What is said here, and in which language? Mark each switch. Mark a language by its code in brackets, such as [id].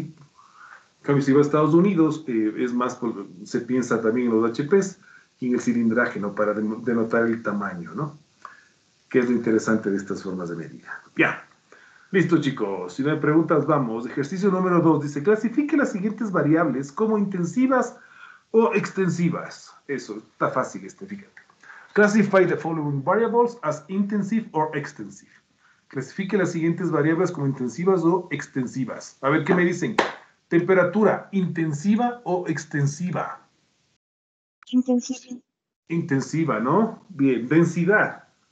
[es] En cambio, si vas a Estados Unidos, es más, se piensa también en los HPs y en el cilindraje, ¿no? Para denotar el tamaño, ¿no? Que es lo interesante de estas formas de medida. Ya, listo, chicos. Si no hay preguntas, vamos. Ejercicio número 2 dice, clasifique las siguientes variables como intensivas o extensivas. Eso, está fácil este, fíjate. [en] Classify the following variables as intensive or extensive. [es] Clasifique las siguientes variables como intensivas o extensivas. A ver, ¿qué me dicen? ¿Temperatura intensiva o extensiva? Intensiva. Intensiva, ¿no? Bien, ¿densidad?